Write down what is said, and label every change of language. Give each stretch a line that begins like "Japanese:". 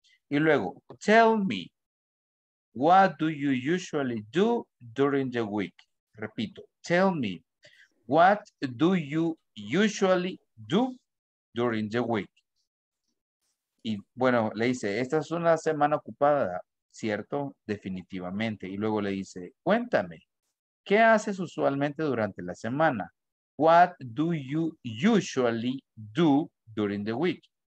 Spanish: Y luego,
English: tell me, what do you usually do during the week?
Spanish: Repito,
English: tell me. What do you usually do during the week?
Spanish: Y bueno, le dice, esta es una semana ocupada, ¿cierto? Definitivamente. Y luego le dice, cuéntame, ¿qué haces usualmente durante la semana?
English: What do you usually do during the week?